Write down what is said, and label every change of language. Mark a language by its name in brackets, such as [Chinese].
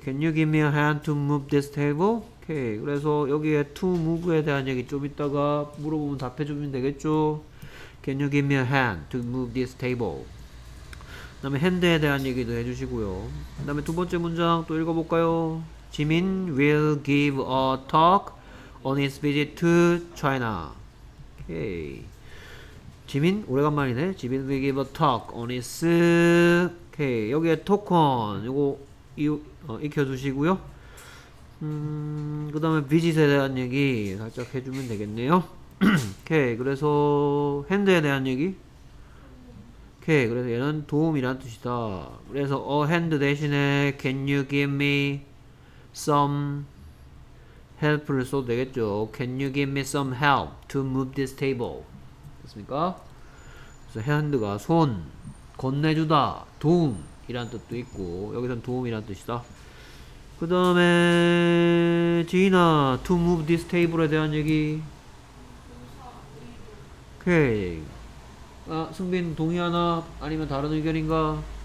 [English] Can you give me a hand to move this table? [Korean] 오케이. 그래서 여기에 to move에 대한 얘기 좀 이따가 물어보면 답해주면 되겠죠? [English] Can you give me a hand to move this table? [Korean] 그 다음에 핸드에 대한 얘기도 해주시고요. 그 다음에 두 번째 문장 또 읽어볼까요? [English] 지민 will give a talk on his visit to China. 오케이. 지민, [Korean] 오래간만이네. [English] 지민 will give a talk on his. 오케이. [Korean] 여기에 토큰, 요거, 익혀두시고요. 그 다음에 visit에 대한 얘기 살짝 해주면 되겠네요. 오케이. 그래서 핸드에 대한 얘기. 오케이. 그래서 얘는 도움이란 뜻이다. 그래서 a hand 대신에 [English] can you give me some help [Korean] 를 써도 되겠죠. [English] Can you give me some help to move this table? [Korean] 됐습니까? 그래서 hand가 손, 건네주다, 도움이란 뜻도 있고, 여기선 도움이란 뜻이다. 그 다음에, 지인아, to move this table에 대한 얘기. 오케이. 아, 승빈, 동의하나? 아니면 다른 의견인가?